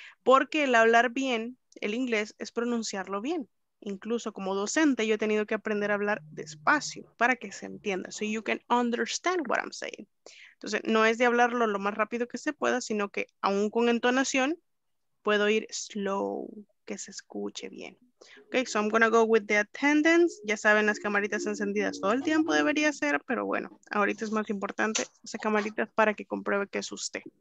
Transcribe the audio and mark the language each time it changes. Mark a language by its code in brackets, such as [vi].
[es] Porque el hablar bien, el inglés, es pronunciarlo bien. Incluso como docente yo he tenido que aprender a hablar despacio para que se entienda. [en] So you can understand what I'm saying. [es] Entonces, no es de hablarlo lo más rápido que se pueda, sino que aún con entonación puedo ir slow, que se escuche bien. [en] Okay, so I'm gonna go with the attendance. [es] Ya saben, las camaritas encendidas todo el tiempo debería ser, pero bueno, ahorita es más importante esa camarita para que compruebe que es usted.